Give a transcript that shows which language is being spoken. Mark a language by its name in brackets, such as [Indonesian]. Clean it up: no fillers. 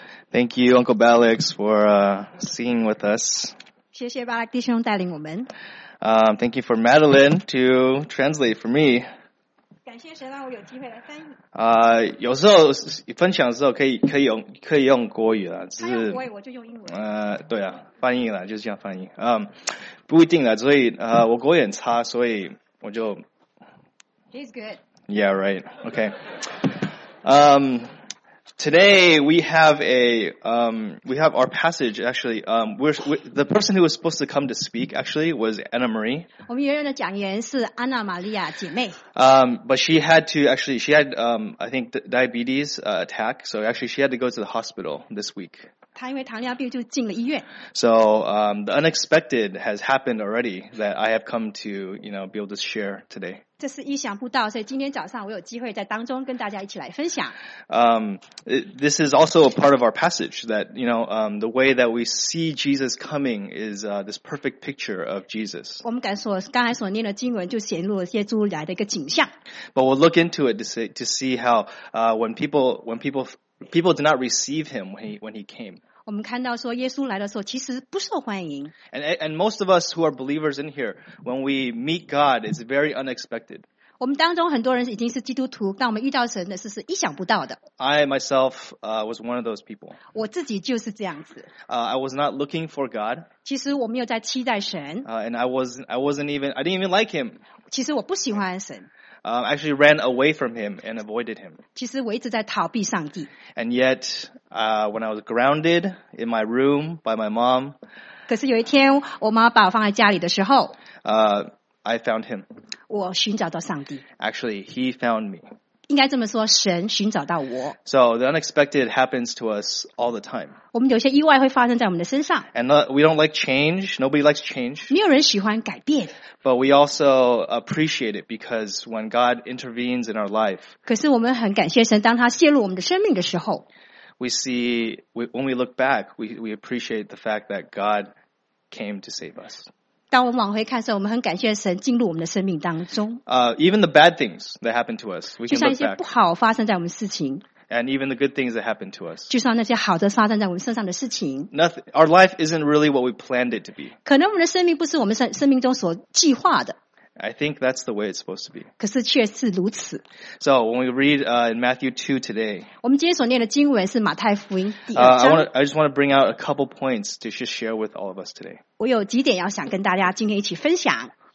[English] Thank you, Uncle Balix, for singing with us. [Chinese] 谢谢巴拉克弟兄带领我们。 [English] Thank you for Madeline to translate for me. [Chinese] 感谢神让我有机会来翻译。有时候分享的时候可以用国语啦，只是他用国语我就用英文。对啊，翻译啦，就是这样翻译。不一定啦，所以我国语很差，所以我就。 [English] He's good. Yeah. Right. Okay. Today we have our passage actually. The person who was supposed to come to speak actually was Anna Marie. [Chinese] 我们原来的讲员是安娜玛利亚姐妹。 [English] But she had to actually. She had I think diabetes attack. So actually, she had to go to the hospital this week. [Chinese] 她因为糖尿病就进了医院。 [English] So the unexpected has happened already that I have come to be able to share today. [Chinese] 这是意想不到，所以今天早上我有机会在当中跟大家一起来分享。 [English] This is also a part of our passage that the way that we see Jesus coming is this perfect picture of Jesus. [Chinese] 我们刚才所念的经文就显露了耶稣来的一个景象。 [English] But we'll look into it to see how when people did not receive him when he came. [Chinese] 我们看到说耶稣来的时候其实不受欢迎。 [English] And most of us who are believers in here, when we meet God, it's very unexpected. [Chinese] 我们当中很多人已经是基督徒，但我们遇到神的是意想不到的。 [English] I myself was one of those people. [Chinese] 我自己就是这样子。 [English] I was not looking for God. [Chinese] 其实我没有在期待神。 [English] And I didn't even like him. [Chinese] 其实我不喜欢神。 [English] Actually ran away from him and avoided him. [Chinese] 其实我一直在逃避上帝。 [English] And yet, when I was grounded in my room by my mom, [Chinese] 可是有一天我妈把我放在家里的时候， [English] I found him. [Chinese] 我寻找到上帝。 [English] Actually, he found me. [Chinese] 应该这么说，神寻找到我。 [English] So the unexpected happens to us all the time. [Chinese] 我们有些意外会发生在我们的身上。 [English] And we don't like change. Nobody likes change. [Chinese] 没有人喜欢改变。 [English] But we also appreciate it because when God intervenes in our life, [Chinese] 可是我们很感谢神，当他介入我们的生命的时候， [English] we see, when we look back, we appreciate the fact that God came to save us. [Chinese] 当我们往回看的时候，我们很感谢神进入我们的生命当中。 [English] Even the bad things that happen to us, we can look back. [Chinese] 就像一些不好发生在我们事情。 [English] And even the good things that happen to us. [Chinese] 就像那些好的发生在我们身上的事情。 [English] Nothing, our life isn't really what we planned it to be. [Chinese] 可能我们的生命不是我们生命中所计划的。 [English] I think that's the way it's supposed to be. [Chinese] 可是却是如此。 [English] So when we read in Matthew 2 today, [Chinese] 我们今天所念的经文是马太福音第二章。 [English] I just want to bring out a couple points to just share with all of us today. [Chinese] 我有几点要想跟大家今天一起分享。